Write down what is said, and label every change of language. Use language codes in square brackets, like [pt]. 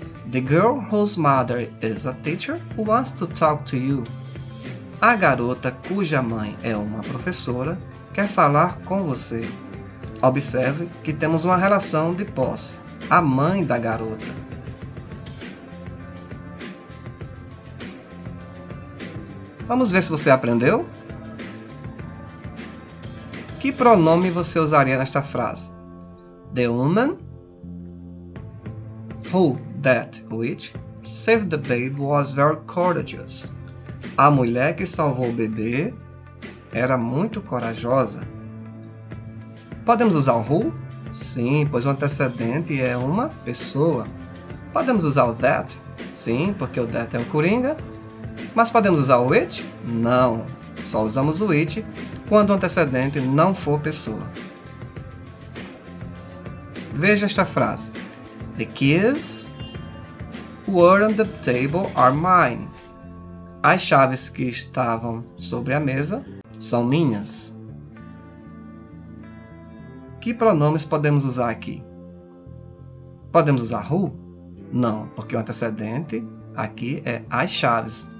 [en] The girl whose mother is a teacher wants to talk to you. [pt] A garota cuja mãe é uma professora quer falar com você. Observe que temos uma relação de posse, a mãe da garota. Vamos ver se você aprendeu? Que pronome você usaria nesta frase? [en] The woman, who, that, which, saved the babe was very courageous. [pt] A mulher que salvou o bebê era muito corajosa. Podemos usar o who? Sim, pois o antecedente é uma pessoa. Podemos usar o that? Sim, porque o that é um coringa. Mas podemos usar o it? Não, só usamos o it quando o antecedente não for pessoa. Veja esta frase. [en] The keys were on the table are mine. [pt] As chaves que estavam sobre a mesa são minhas. Que pronomes podemos usar aqui? Podemos usar who? Não, porque o antecedente aqui é as chaves.